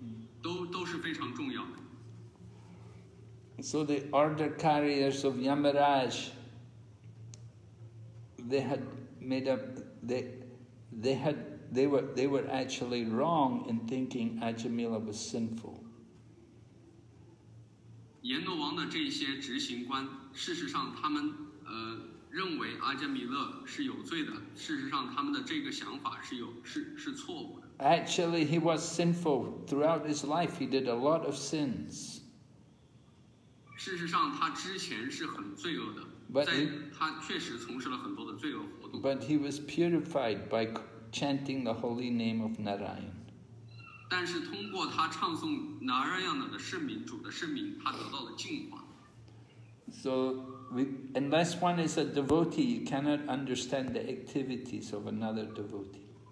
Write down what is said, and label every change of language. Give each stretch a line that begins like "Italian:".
Chinese: 他们身体的特征，他们所穿戴的这些特征，都会影响他们，都是非常重要的。
English: So the order carriers of Yamaraj, they had made up, they were actually wrong in thinking Ajamila was sinful.
Chinese: 阎罗王的这些执行官，事实上他们认为阿杰米勒是有罪的，事实上他们的这个想法是错误的。
English: Actually, he was sinful throughout his life. He did a lot of sins.
Chinese: 事实上，他之前是很罪恶的，他确实从事了很多的罪恶活动。
English: But he was purified by chanting the holy name of Narayan.
Chinese: 但是通过他唱诵Narayana的圣名，主的圣名，他得到了净化。
English: So, unless one is a devotee, you cannot understand the activities of another devotee.